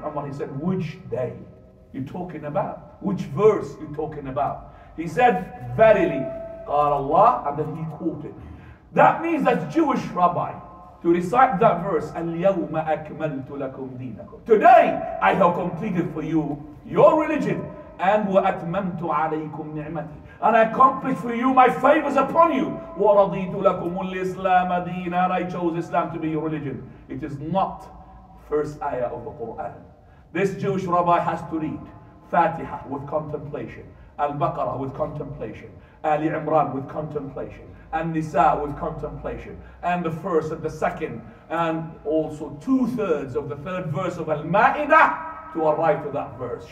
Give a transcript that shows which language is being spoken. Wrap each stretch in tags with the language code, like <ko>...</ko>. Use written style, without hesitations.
<en>And when he said, which day you talking about? Which verse you talking about? He said, verily, قال الله, and then he quoted. That means that Jewish rabbi, to recite that verse,</en> <ar>الْيَوْمَ أَكْمَلْتُ لَكُمْ دِينَكُمْ.</ar> <en>Today, I have completed for you your religion. And</en> <ar>وَأَتْمَمْتُ عَلَيْكُمْ نِعْمَتِي.</ar> <en>And I accomplish for you my favors upon you.</en> <ar>وَرَضِيتُ لَكُمُ الْإِسْلَامَ دِينًا.</ar> <en>And I chose Islam to be your religion. It is not first ayah of the Quran. This Jewish rabbi has to read Fatiha with contemplation, Al-Baqarah with contemplation, Ali Imran with contemplation, and Nisa with contemplation, and the first and the second, and also two-thirds of the third verse of Al-Ma'idah to arrive to that verse.</en>